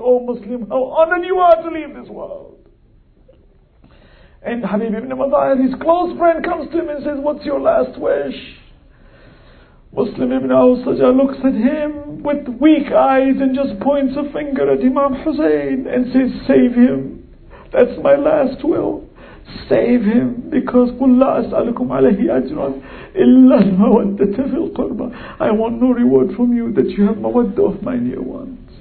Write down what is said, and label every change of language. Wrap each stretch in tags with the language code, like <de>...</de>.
<en>Oh Muslim, how honored you are to leave this world. And Habib ibn Madahir, his close friend, comes to him and says, "What's your last wish?" Muslim Ibn al-Sajjah looks at him with weak eyes and just points a finger at Imam Hussein and says, save him. That's my last will. Save him, because</en> <ar>قُلْ لَا أَسْأَلُكُمْ عَلَيْهِ أَجْرًا إِلَّا الْمَوَدَّةَ فِي الْقُرْبَى.</ar> <en>I want no reward from you that you have mawadda of my near ones.</en>